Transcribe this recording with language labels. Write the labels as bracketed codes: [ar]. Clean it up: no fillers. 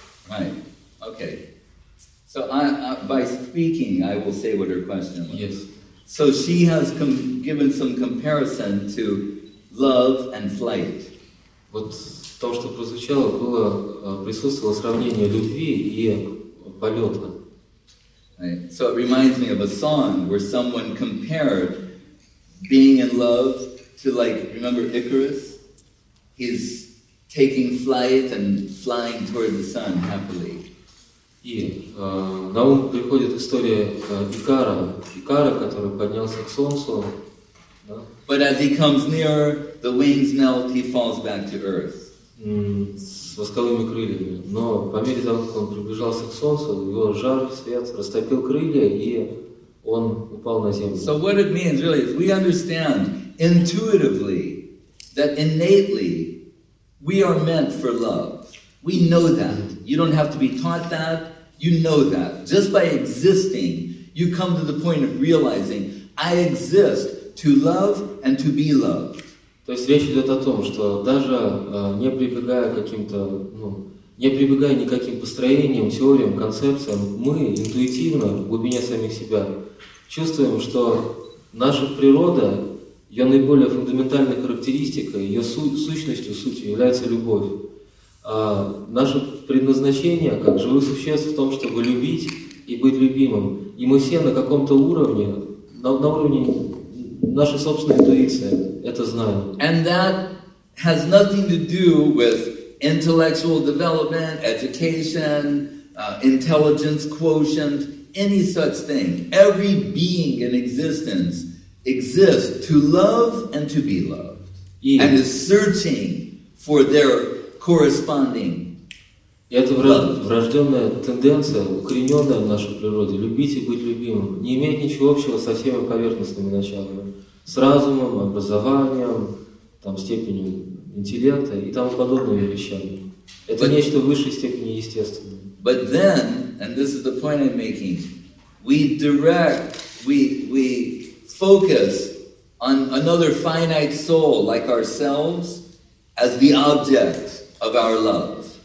[en] Right, okay. So by speaking, I will say what her question was. Yes. So she has given some comparison to love and flight. [ru] Вот то, что прозвучало, было присутствовало сравнение любви и полета. [en] So it reminds me of a song where someone compared being in love to, like, remember Icarus? He's taking flight and flying toward the sun happily. [ru] И на ум приходит история Икара, который поднялся к солнцу. Да? [en] But as he comes nearer, the wings melt, he falls back to earth. [ru] С восковыми крыльями. Но по мере того, как он приближался к солнцу, его жар, свет растопил крылья, и он упал на землю. [en] So what it means, really, is we understand intuitively that innately we are meant for love. We know that. You don't have to be taught that. You know that. Just by existing, you come to the point of realizing, I exist to love and to be loved. [ru] То есть речь идет о том, что даже не прибегая к каким-то, ну, не прибегая никаким построениям, теориям, концепциям, мы интуитивно, в глубине самих себя, чувствуем, что наша природа, ее наиболее фундаментальной характеристикой, ее сущностью, сутью является любовь. Наше предназначение как живых существ в том, чтобы любить и быть любимым. И мы все на каком-то уровне, на уровне нашей собственной интуиции это знаем. [en] And that has nothing to do with intellectual development, education, intelligence quotient, any such thing. Every being in existence exists to love and to be loved. Yes. And is searching for their corresponding. [ru] И это врожденная тенденция, укорененная в нашей природе, любить и быть любимым, не имеет ничего общего со всеми поверхностными началами, с разумом, образованием, там, степенью интеллекта и тому подобными вещами. Это нечто в высшей степени естественное. [en] But then, and this is the point I'm making, we direct, we focus on another finite soul like ourselves as the object of our love.